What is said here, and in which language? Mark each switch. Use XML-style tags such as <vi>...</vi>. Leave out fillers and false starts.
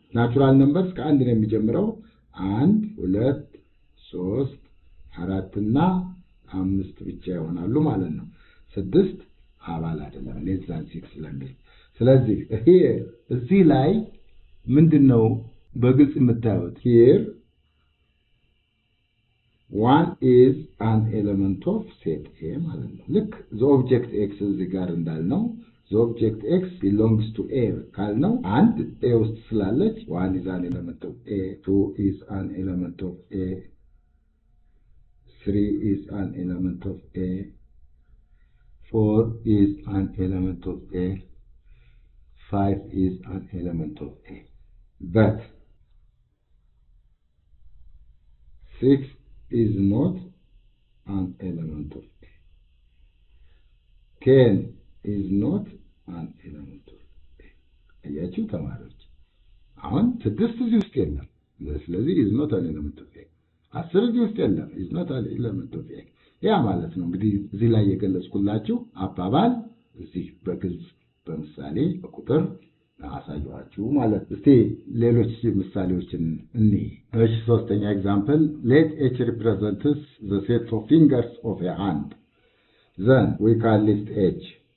<am>ናቹራል ነምበርስ ከአንድ ነው የሚጀምረው። 1 2 3 4 እና 5 ብቻ ይሆናሉ ማለት ነው። 6 አባል አይደለም less than 6 ለምን? ስለዚህ ይሄ እዚህ ላይ ምንድነው በግልጽ የምታዩት?</am> <en>here one is an element of set a</en> <am>ማለት ነው።</am> <en>ልክ the object x እዚህ ጋር እንዳልነው the object x belongs to a ካልነው አንድ a ውስጥ ስላለች one is an element of a, two is an element of a, three is an element of a, four is an element of a, 5 is an element of A. But 6 is not an element of A. 10 is not an element of A.</en> <am>አያችሁ ተማሩት? አሁን 6 እዚህ ውስጥ የለም። ስለዚህ</am> <en>is not an element of A. 10</en> <am>እዚህ ውስጥ የለም.</am> <en>is not an element of A.</en> <am>ያ ማለት ነው እንግዲህ እዚህ ላይ የገለጽኩላችሁ አባባል እዚህ በግልጽ በምሳሌ በቁጥር አሳያችሁ ማለት እስቲ ሌሎች ምሳሌዎችን እንይ። እሺ ሶስተኛ ኤግዛምፕል</am> <en>let h represents the set of fingers of a hand then we can list h</en>